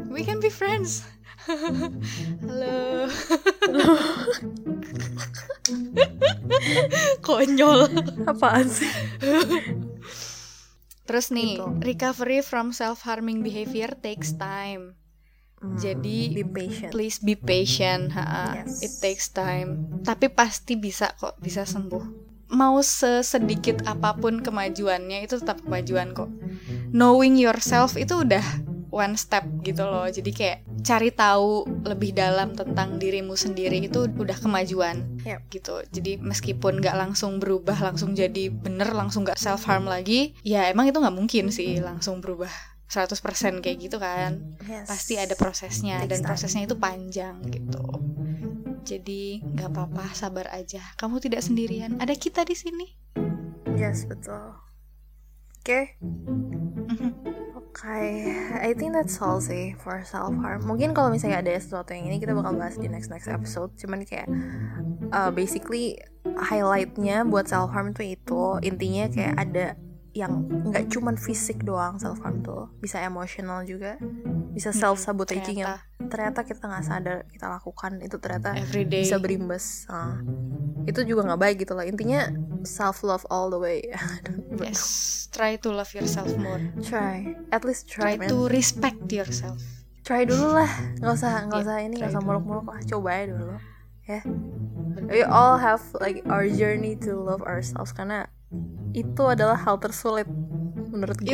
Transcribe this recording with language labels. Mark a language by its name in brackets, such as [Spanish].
[English] We can be friends. Hello. [Indonesian] Konyol. Apaan sih? Terus nih, gitu. [English] Recovery from self-harming behavior takes time. [Indonesian] Jadi [English] be patient. Please be patient. It takes time. [Indonesian] Tapi pasti bisa kok, bisa sembuh. Mau sesedikit apapun kemajuannya, itu tetap kemajuan kok. [English] Knowing yourself [Indonesian] itu udah [English] one step [Indonesian] gitu loh. Jadi kayak cari tahu lebih dalam tentang dirimu sendiri itu udah kemajuan. Yep. Gitu. Jadi meskipun gak langsung berubah, langsung jadi bener, langsung gak self-harm lagi, ya emang itu gak mungkin sih langsung berubah 100% kayak gitu kan. Yes. Pasti ada prosesnya. Next dan time. Prosesnya itu panjang gitu. Jadi enggak apa-apa, sabar aja. Kamu tidak sendirian. Ada kita di sini. Yes, betul. Oke. Okay. [English] Okay. I think that's all sih for self harm. [Indonesian] Mungkin kalau misalnya ada sesuatu yang ini kita bakal bahas di next episode. Cuman kayak basically highlight-nya buat self harm itu intinya kayak ada yang gak cuman fisik doang self-harm tuh, bisa emosional juga, bisa self-sabotaging yang ternyata kita gak sadar kita lakukan, itu ternyata everyday bisa berimbas. Itu juga gak baik gitu lah. Intinya [English] self-love all the way. Yes, try to love yourself more. Try, at least try. Try to respect yourself. [Indonesian] Try dulu lah, gak usah muluk-muluk lah, coba aja dulu. [English] Yeah. We all have like our journey to love ourselves, [Indonesian] karena itu adalah hal tersulit menurut gue.